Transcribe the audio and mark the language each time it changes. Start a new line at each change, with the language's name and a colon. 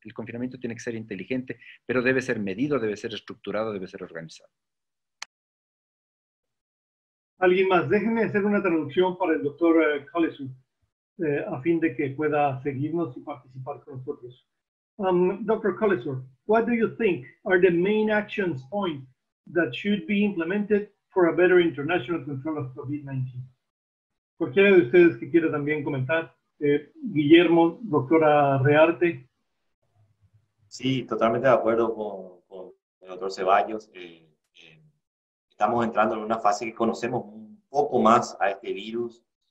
Spanish: El confinamiento tiene que ser inteligente, pero debe ser medido, debe ser estructurado, debe ser organizado. ¿Alguien más? Déjenme hacer una traducción para el doctor Collison, a fin de que pueda seguirnos y participar con nosotros.
English: Dr. Collison, what do you think are the main action points that should be implemented for a better international control of COVID-19?
Spanish: Cualquiera de ustedes que quiera también comentar, Guillermo, doctora Rearte. Sí, totalmente de acuerdo con el doctor Ceballos. Estamos entrando en una fase que conocemos un poco más a este virus.